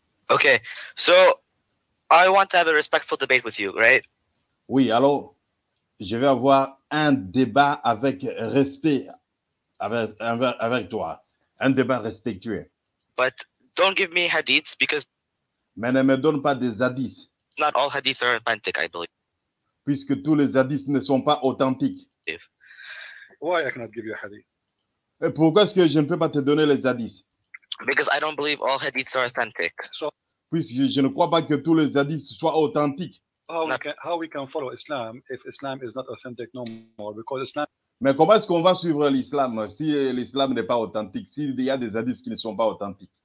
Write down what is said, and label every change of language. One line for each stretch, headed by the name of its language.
English: Okay, so I want to have a respectful debate with you, right?
French: Oui, allô? Je vais avoir un débat avec respect avec toi. Un débat respectueux.
English: But don't give me hadiths because...
French: Mais ne me donne pas des hadiths.
English: Not all hadiths are authentic, I believe.
French: Puisque tous les hadiths ne sont pas authentiques.
English: If. Why I cannot give you a hadith?
French: Et pourquoi est-ce que je ne peux pas te donner les hadiths?
English: Because I don't believe all hadiths are authentic. So,
French: puisque je ne crois pas que tous les hadiths soient authentiques.
English: How we can follow Islam if Islam is not authentic no more? Because Islam.
French: Mais comment est-ce qu'on va suivre l'islam si l'islam n'est pas authentique? S'il y a des hadiths qui ne sont pas authentiques.